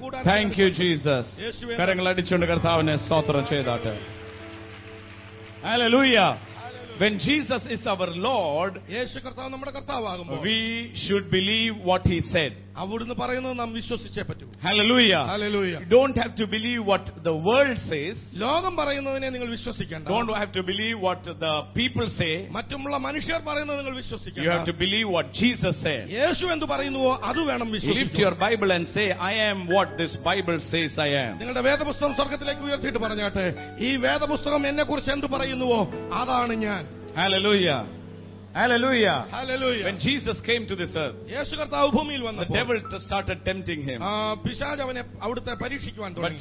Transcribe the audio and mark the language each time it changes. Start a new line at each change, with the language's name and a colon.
Malayalam: കൂടാരത്തിന.
English: Thank you Jesus.
Malayalam: കരങ്ങൾ അടിച്ചുകൊണ്ട് കർത്താവിനെ സ്തോത്രം ചെയ്താട്ടെ.
English: Hallelujah. When Jesus is our Lord,
Malayalam: യേശു കർത്താവ് നമ്മുടെ കർത്താവാകുമ്പോൾ,
English: we should believe what he said.
Malayalam: അവിടുന്ന് പറയുന്നത് നാം വിശ്വസിച്ചേ പറ്റൂ. Hallelujah. Hallelujah.
English: You don't have to believe what the world says.
Malayalam: ലോകം പറയുന്നതിനെ നിങ്ങൾ വിശ്വസിക്കേണ്ട.
English: Don't have to believe what the people say.
Malayalam: മറ്റുള്ള മനുഷ്യർ പറയുന്നത് നിങ്ങൾ വിശ്വസിക്കേണ്ട.
English: You have to believe what Jesus said.
Malayalam: യേശു എന്ത് പറയുന്നുവോ അത് വേണം വിശ്വസിക്കാൻ.
English: Lift your Bible and say, I am what this Bible says I am.
Malayalam: നിങ്ങളുടെ വേദപുസ്തകം സ്വർഗ്ഗത്തിലേക്ക് ഉയർത്തിയിട്ട് പറഞ്ഞാട്ടെ, ഈ വേദപുസ്തകം എന്നെക്കുറിച്ച് എന്ത് പറയുന്നുവോ അതാണ് ഞാൻ. Hallelujah. Hallelujah. Hallelujah.
English: When Jesus came to this earth,
Malayalam: യേശു കർത്താവ് ഭൂമിയിൽ വന്നു.
English: The devil started tempting him.
Malayalam: പിശാച് അവനെ അവിടുത്തെ പരീക്ഷിക്കുവാൻ തുടങ്ങി.